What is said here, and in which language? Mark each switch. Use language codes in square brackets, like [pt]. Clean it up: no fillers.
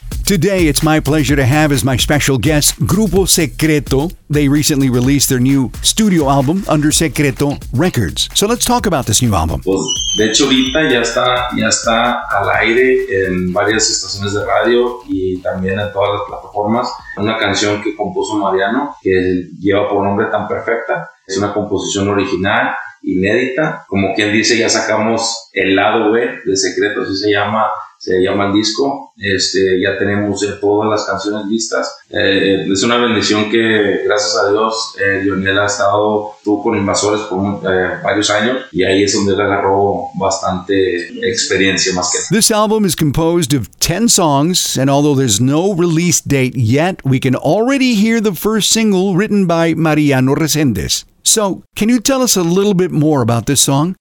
[en] Today, it's my pleasure to have as my special guest, Grupo Secreto. They recently released their new studio album under Secreto Records. So let's talk about this new album. [es] Pues, de hecho, ahorita ya está al aire en varias estaciones de radio y también en todas las plataformas. Una canción que compuso Mariano, que lleva por nombre Tan Perfecta. Es una composición original, inédita. Como quien dice, ya sacamos el lado B de Secreto, así se llama. Se llama el disco, ya tenemos todas las canciones listas. Es una bendición que, gracias a Dios, Lionel estuvo con Invasores por varios años, y ahí es donde él agarró bastante experiencia, más que nada. [en] This album is composed of 10 songs, and although there's no release date yet, we can already hear the first single written by Mariano Reséndez. So, can you tell us a little bit more about this song?